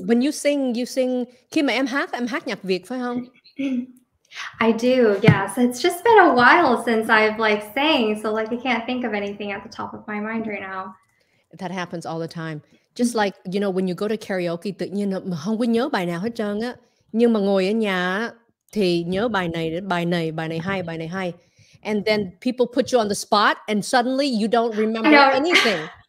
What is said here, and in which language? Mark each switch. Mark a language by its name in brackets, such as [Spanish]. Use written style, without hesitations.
[English] When you sing [Vietnamese] Kima em hát nhạc Việt phải không? [English] I do. Yes, it's just been a while since I've like sang, so like I can't think of anything at the top of my mind right now. That happens all the time. Just like, you know, when you go to karaoke, [Vietnamese] tự nhiên không có nhớ bài nào hết trơn á. Nhưng mà ngồi ở nhà thì nhớ bài này hay. [English] And then people put you on the spot and suddenly you don't remember anything.